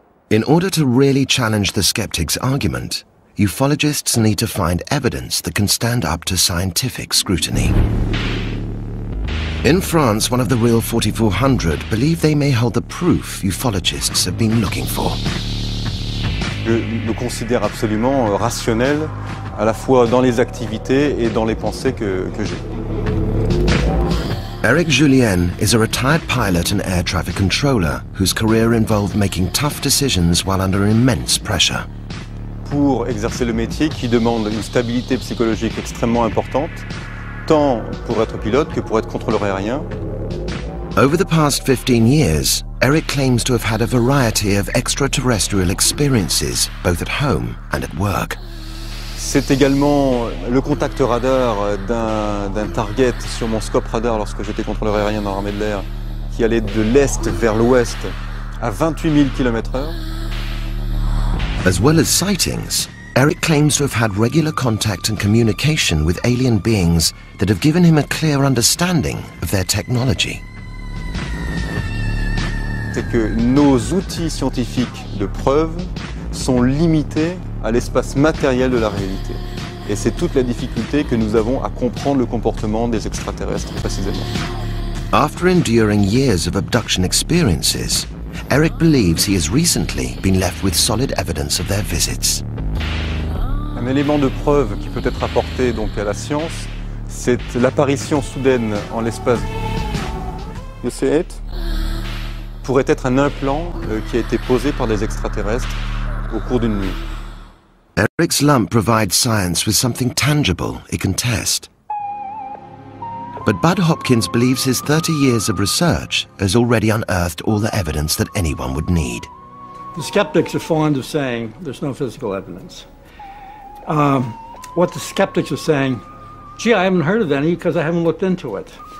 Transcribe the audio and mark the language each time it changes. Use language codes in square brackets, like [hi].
[en] In order to really challenge the skeptic's argument, ufologists need to find evidence that can stand up to scientific scrutiny. In France, one of the real 4400 believe they may hold the proof ufologists have been looking for. [fr] Je le considère absolument rationnel, à la fois dans les activités et dans les pensées que j'ai. [en] Eric Julien is a retired pilot and air traffic controller whose career involved making tough decisions while under immense pressure. [fr] Pour exercer le métier qui demande une stabilité psychologique extrêmement importante, tant pour être pilote que pour être contrôleur aérien. [en] Over the past 15 years, Eric claims to have had a variety of extraterrestrial experiences, both at home and at work. [fr] C'est également le contact radar d'un target sur mon scope radar lorsque j'étais contrôleur aérien dans l'armée de l'air, qui allait de l'est vers l'ouest à 28 000 km/h. [en] As well as sightings, Eric claims to have had regular contact and communication with alien beings that have given him a clear understanding of their technology. [fr] C'est que nos outils scientifiques de preuve sont limités à l'espace matériel de la réalité. Et c'est toute la difficulté que nous avons à comprendre le comportement des extraterrestres, précisément. [en] After enduring years of abduction experiences, Eric believes he has recently been left with solid evidence of their visits. [fr] Un élément de preuve qui peut être apporté donc à la science, c'est l'apparition soudaine en l'espace. [en] You see it? [fr] Pourrait être un implant qui a été posé par des extraterrestres au cours d'une nuit. [en] Eric's lump provides science with something tangible it can test. But Bud Hopkins believes his 30 years of research has already unearthed all the evidence that anyone would need. The skeptics are fond of saying there's no physical evidence. What the skeptics are saying, gee, I haven't heard of any because I haven't looked into it.